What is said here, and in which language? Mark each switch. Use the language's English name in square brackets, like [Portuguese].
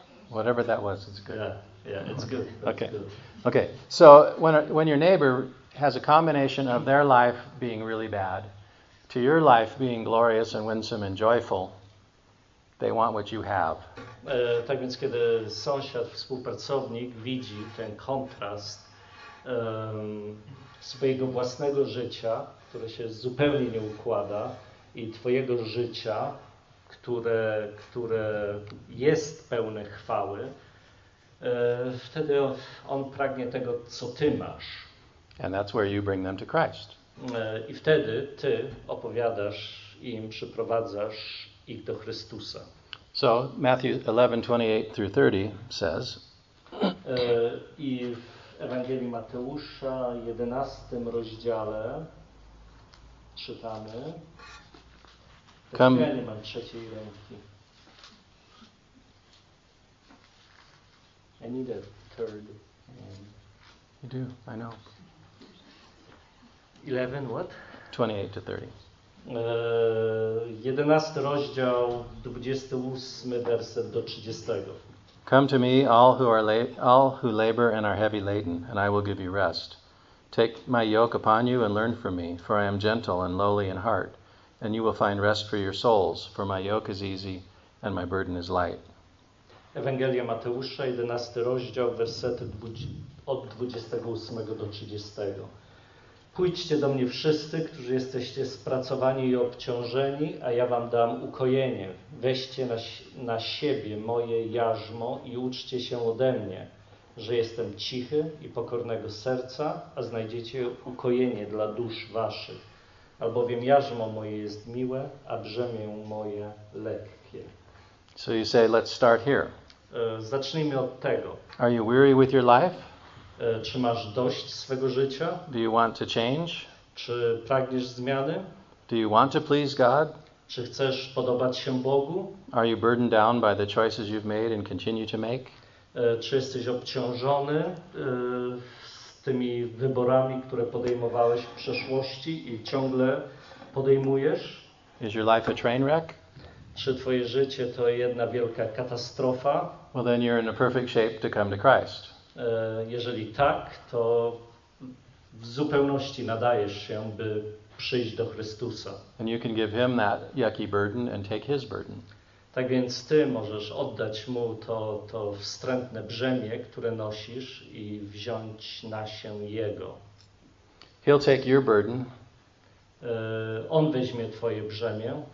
[English] Whatever that was, it's good. Yeah, it's good. Okay. Good. Okay. So when your neighbor has a combination of their life being really bad to your life being glorious and winsome and joyful, they want what you have. [Polish] Tak więc kiedy sąsiad, współpracownik widzi ten kontrast swojego własnego życia, które się zupełnie nie układa, i twojego życia, które jest pełne chwały, wtedy on pragnie tego, co ty masz. [English] And that's where you bring them to Christ. [Polish] I wtedy ty opowiadasz im, przyprowadzasz ich do Chrystusa. [English] So Matthew 11:28-30 says. [Polish] I w Ewangelii Mateusza, 11 rozdziale, czytamy. Ewangelii mam trzeciej ręki. [English] I need a third. You do, I know. 11 what? 28-30. [Polish] 11 rozdział, 28 werset do 30. [English] Come to me, all who labor and are heavy laden, and I will give you rest. Take my yoke upon you and learn from me, for I am gentle and lowly in heart, and you will find rest for your souls, for my yoke is easy and my burden is light. [Polish] Ewangelia Mateusza, 11 rozdział, wersety od 28 do 30. Pójdźcie do mnie wszyscy, którzy jesteście spracowani i obciążeni, a ja wam dam ukojenie. Weźcie na siebie moje jarzmo i uczcie się ode mnie, że jestem cichy i pokornego serca, a znajdziecie ukojenie dla dusz waszych, albowiem jarzmo moje jest miłe, a brzemię moje lekkie. [English] So you say, let's start here. [Polish] Zacznijmy od tego. [English] Are you weary with your life? [Polish] Czy masz dość swego życia? [English] Do you want to change? [Polish] Czy pragniesz zmiany? [English] Do you want to please God? [Polish] Czy chcesz podobać się Bogu? [English] Are you burdened down by the choices you've made and continue to make? [Polish] Czy jesteś obciążony z tymi wyborami, które podejmowałeś w przeszłości i ciągle podejmujesz? [English] Is your life a train wreck? [Polish] Czy twoje życie to jedna wielka katastrofa? [English] Well, then you're in a perfect shape to come to Christ. [Polish] Jeżeli tak, to w zupełności nadajesz się, by przyjść do Chrystusa. [English] And you can give him that yucky burden and take his burden. [Polish] Tak więc ty możesz oddać mu to wstrętne brzemię, które nosisz, i wziąć na się jego. [English] He'll take your burden. [Polish] On weźmie twoje brzemię.